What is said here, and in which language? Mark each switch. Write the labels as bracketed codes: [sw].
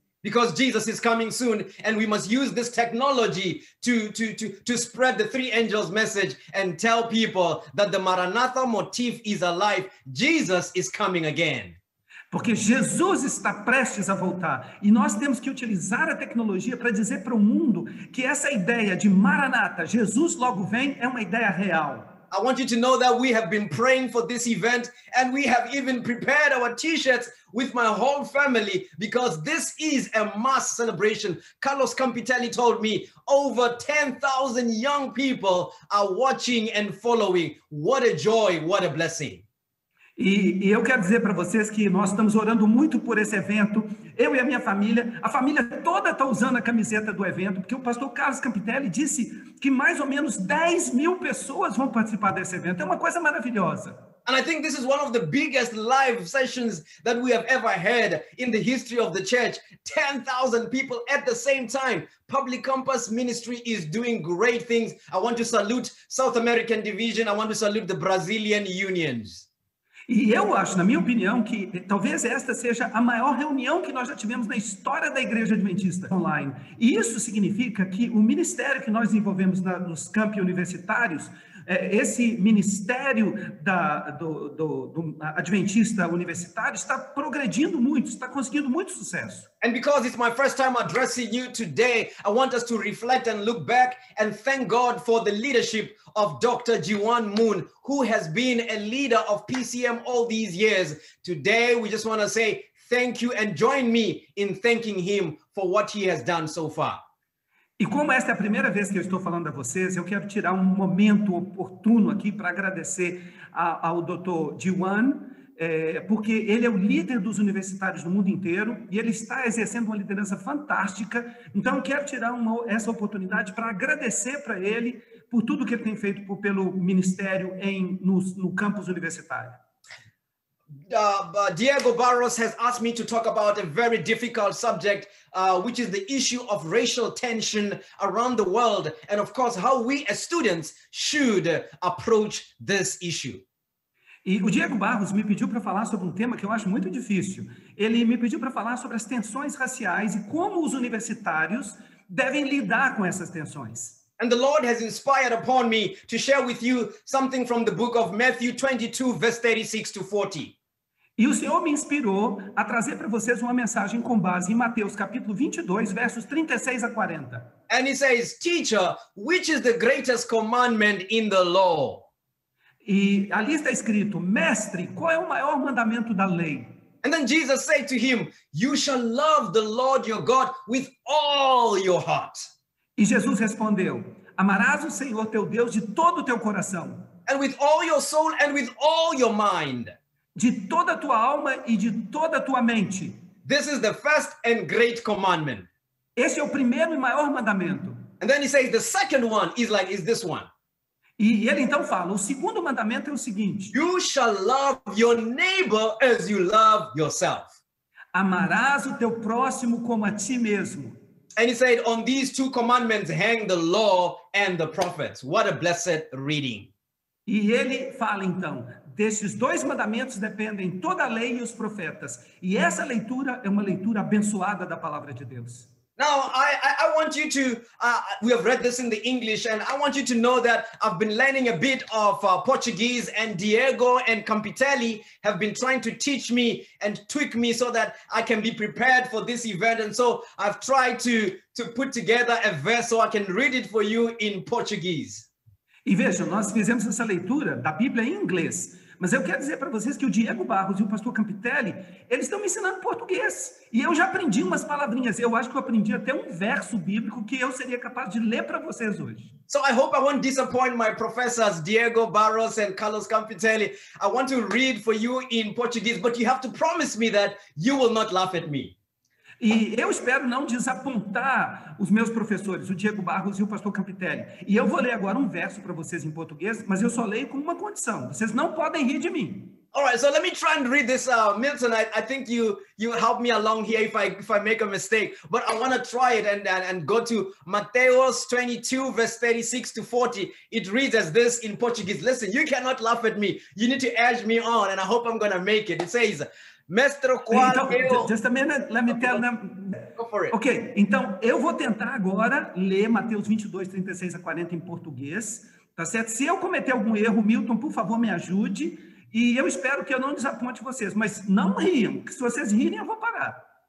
[en] Because Jesus is coming soon and we must use this technology to spread the three angels message and tell people that the Maranatha motif is alive. Jesus is coming again. [pt] Porque Jesus está prestes a voltar e nós temos que utilizar a tecnologia para dizer para o mundo que essa ideia de Maranatha, Jesus logo vem, é uma ideia real. [en] I want you to know that we have been praying for this event and we have even prepared our t-shirts with my whole family because this is a mass celebration. Carlos Campitelli told me over 10,000 young people are watching and following. What a joy, what a blessing. [pt] E eu quero dizer para vocês que nós estamos orando muito por esse evento. Eu e a minha família, a família toda está usando a camiseta do evento, porque o pastor Carlos Campitelli disse que mais ou menos 10 mil pessoas vão participar desse evento. É uma coisa maravilhosa. [en] And I think this is one of the biggest live sessions that we have ever had in the history of the church. 10,000 people at the same time. Public Campus Ministry is doing great things. I want to salute South American Division. I want to salute the Brazilian Unions. [pt] E eu acho, na minha opinião, que talvez esta seja a maior reunião que nós já tivemos na história da Igreja Adventista Online. E isso significa que o ministério que nós desenvolvemos nos campi universitários, esse ministério do Adventista Universitário, está progredindo muito, está conseguindo muito sucesso. [en] And because it's my first time addressing you today, I want us to reflect and look back and thank God for the leadership of Dr. Jiwan Moon, who has been a leader of PCM all these years. Today, we just want to say thank you and join me in thanking him for what he has done so far. [pt] E como esta é a primeira vez que eu estou falando a vocês, eu quero tirar um momento oportuno aqui para agradecer ao Dr. Jiwan, porque ele é o líder dos universitários do mundo inteiro e ele está exercendo uma liderança fantástica. Então, eu quero tirar essa oportunidade para agradecer para ele por tudo que ele tem feito pelo ministério no campus universitário. [en] Diego Barros has asked me to talk about a very difficult subject, which is the issue of racial tension around the world, and of course, how we as students should approach this issue. [pt] E o Diego Barros me pediu para falar sobre um tema que eu acho muito difícil. Ele me pediu para falar sobre as tensões raciais e como os universitários devem lidar com essas tensões. [en] And the Lord has inspired upon me to share with you something from the book of Matthew 22, verse 36 to 40. [pt] E o Senhor me inspirou a trazer para vocês uma mensagem com base em Mateus capítulo 22, versos 36 a 40. [en] And he says, teacher, which is the greatest commandment in the law? [pt] E ali está escrito, mestre, qual é o maior mandamento da lei? [en] And then Jesus said to him, you shall love the Lord your God with all your heart. [pt] E Jesus respondeu, amarás o Senhor teu Deus de todo o teu coração. [en] And with all your soul and with all your mind. [pt] De toda a tua alma e de toda a tua mente. [en] This is the first and great commandment. [pt] Esse é o primeiro e maior mandamento. [en] And then he says the second one is like, is this one. [pt] E ele então fala, o segundo mandamento é o seguinte. [en] You shall love your neighbor as you love yourself. [pt] Amarás o teu próximo como a ti mesmo. [en] And he said, on these two commandments hang the law and the prophets. What a blessed reading. [pt] E ele fala então, desses dois mandamentos dependem toda a lei e os profetas. E essa leitura é uma leitura abençoada da palavra de Deus. [en] Now, I want you to, we have read this in the English, and I want you to know that I've been learning a bit of Portuguese, and Diego and Campitelli have been trying to teach me and tweak me so that I can be prepared for this event. And so I've tried to put together a verse so I can read it for you in Portuguese. [pt] E vejam, nós fizemos essa leitura da Bíblia em inglês. Mas eu quero dizer para vocês que o Diego Barros e o pastor Campitelli, eles estão me ensinando português. E eu já aprendi umas palavrinhas. Eu acho que eu aprendi até um verso bíblico que eu seria capaz de ler para vocês hoje. [en] So I hope I won't disappoint my professors, Diego Barros and Carlos Campitelli. I want to read for you in Portuguese, but you have to promise me that you will not laugh at me. [pt] E eu espero não desapontar os meus professores, o Diego Barros e o pastor Campitelli. E eu vou ler agora um verso para vocês em português, mas eu só leio com uma condição. Vocês não podem rir de mim. [en] All right, so let me try and read this, Milton. I think you help me along here if I make a mistake. But I want to try it and go to Mateus 22, verse 36 to 40. It reads as this in Portuguese. Listen, you cannot laugh at me. You need to urge me on and I hope I'm going to make it. It says... [pt] Mestre, qual então, [en] just a minute, let me tell them. Go for it. [pt] Ok, então eu vou tentar agora ler Mateus 22, 36 a 40 em português, tá certo? Se eu cometer algum erro, Milton, por favor, me ajude, e eu espero que eu não desaponte vocês, mas não riam, que se vocês rirem, eu vou parar.